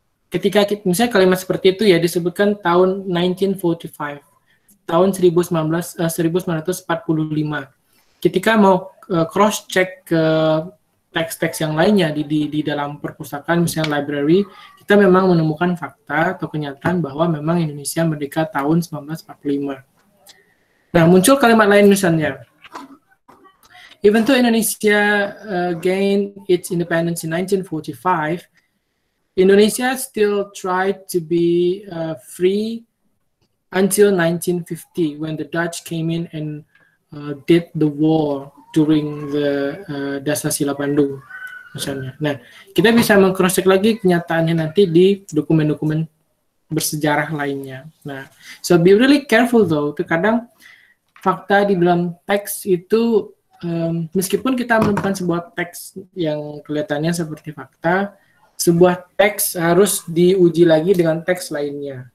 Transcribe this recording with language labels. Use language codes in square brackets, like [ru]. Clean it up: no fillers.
[id] Ketika kita, misalnya kalimat seperti itu ya, disebutkan tahun 1945, tahun 1945. Ketika mau cross-check ke teks-teks yang lainnya di dalam perpustakaan, misalnya library, kita memang menemukan fakta atau kenyataan bahwa memang Indonesia merdeka tahun 1945. Nah, muncul kalimat lain misalnya. [en] Even though Indonesia gained its independence in 1945, Indonesia still tried to be free until 1950 when the Dutch came in and did the war during the Dasasila Pandu [id] misalnya. Nah, kita bisa mengcrosscheck lagi kenyataannya nanti di dokumen-dokumen bersejarah lainnya. Nah, [en] so be really careful though. [id] Terkadang fakta di dalam teks itu meskipun kita menemukan sebuah teks yang kelihatannya seperti fakta, sebuah teks harus diuji lagi dengan teks lainnya.